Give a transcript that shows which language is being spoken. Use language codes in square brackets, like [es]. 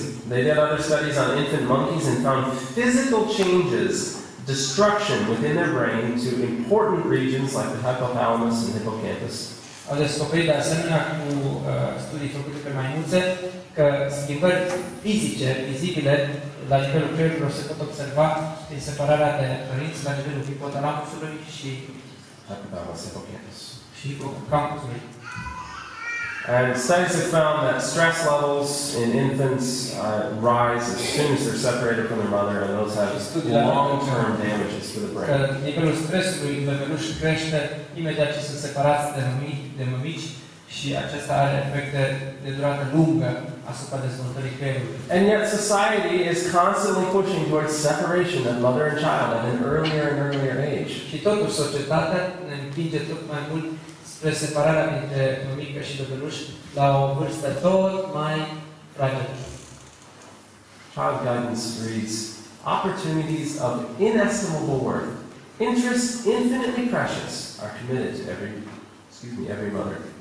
[en] They did other studies on infant monkeys and found physical changes, destruction within their brain to important regions like the hypothalamus and hippocampus. [ro] Au descoperit de asemenea cu studii făcute pe maimuțe că schimbări fizice, vizibile, la nivelul creierului se pot observa prin separarea de părinți la nivelul hipotalamusului și [en] hypothalamus, hippocampus. [ro] Și hipocampusului. [en] And studies have found that stress levels in infants rise as soon as they're separated from their mother, and those have long-term damages for the brain. [ro] Nivelul stresului în bebeluș crește imediat ce sunt separați de mămici, și acesta are efecte de durată lungă asupra dezvoltării creierului. [en] And yet society is constantly pushing towards separation of mother and child at an earlier and earlier age. [ro] Și totuși societatea ne împinge tot mai mult spre separarea dintre mămică și bebeluș la o vârstă tot mai fragedă. [en] Child guidance reads, opportunities of inestimable worth, interests infinitely precious, are committed to every mother.